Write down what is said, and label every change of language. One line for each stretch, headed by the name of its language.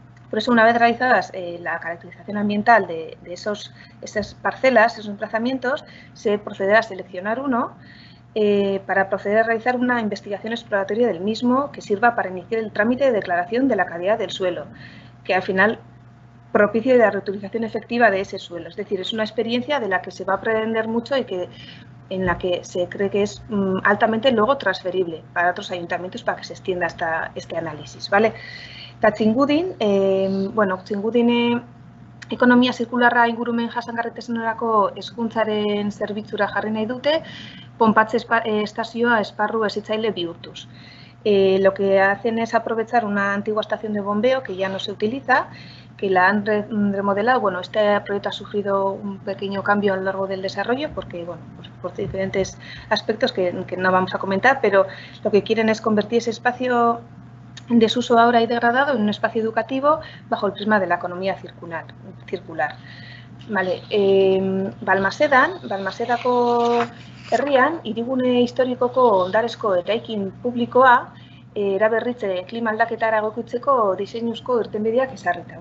Spanish: Por eso, una vez realizadas la caracterización ambiental de esas parcelas, esos emplazamientos, se procederá a seleccionar uno para proceder a realizar una investigación exploratoria del mismo que sirva para iniciar el trámite de declaración de la calidad del suelo, que al final propicie la reutilización efectiva de ese suelo. Es decir, es una experiencia de la que se va a aprender mucho y que, en la que se cree que es altamente luego transferible para otros ayuntamientos para que se extienda hasta este análisis. ¿Vale?
Basque: Eta Txingudin, ekonomia zirkularra ingurumen jasangarritasunerako hezkuntzaren zerbitzura jarri nahi dute, ponpatze estazioa esparru hezitzaile bihurtuz.
Spanish: Lo que hacen es aprovechar una antigua estación de bombeo que ya no se utiliza, que la han remodelado. Bueno, este proyecto ha sufrido un pequeño cambio a lo largo del desarrollo porque, bueno, por diferentes aspectos que no vamos a comentar, pero lo que quieren es convertir ese espacio en desuso ahora y degradado en un espacio educativo bajo el prisma de la economía circular.
Basque: Vale, Balmasedako herrian, hirigune historikoko ondarezko eraikin publikoa, eraberritze klima aldaketara egokitzeko diseinuzko irtenbideak ezarrita.